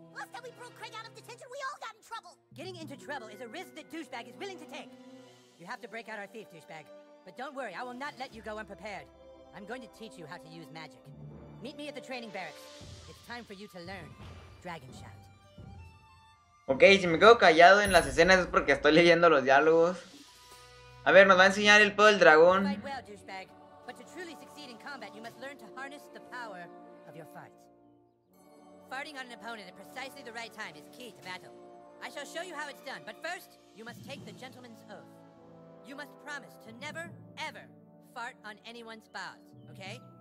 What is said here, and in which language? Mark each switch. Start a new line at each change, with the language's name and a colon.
English: Last time we broke Craig out of detention, we all got in trouble. Getting into trouble is a risk that Douchebag is willing to take. You have to break out our thief, Douchebag. But don't worry, I will not let you go unprepared. I'm going to teach you how to use magic. Meet me at the training barracks. It's time for you to learn Dragon Shout.
Spanish: Ok, si me quedo callado en las escenas es porque estoy leyendo los diálogos. A ver, nos va a enseñar el poder del dragón.
English: But to truly succeed in combat, you must learn to harness the power of your fart. Farting on an opponent at precisely the right time is key to battle. I shall show you how it's done, but first, you must take the gentleman's oath. You must promise to never, ever fart on anyone's balls, okay?